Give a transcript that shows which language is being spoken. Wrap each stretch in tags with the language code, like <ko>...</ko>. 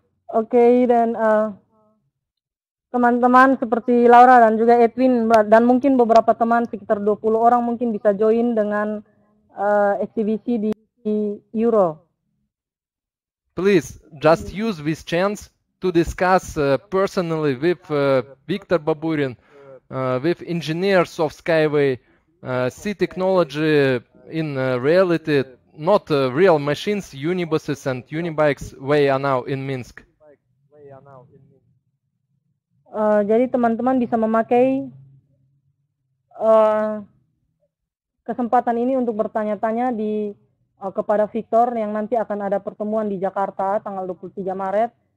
<en>Okay, then</en> <id>teman-teman seperti Laura dan juga Edwin dan mungkin beberapa teman sekitar 20 orang mungkin bisa join dengan exhibition di Euro.</id> <en>Please just use this chance to discuss personally with Viktor Baburin, with engineers of Skyway, see technology in reality, not real machines, unibuses and unibikes way are now in Minsk.</en> <id>Jadi teman-teman bisa memakai kesempatan ini untuk bertanya-tanya di kepada Victor yang nanti akan ada pertemuan di Jakarta tanggal 23 Maret.</id>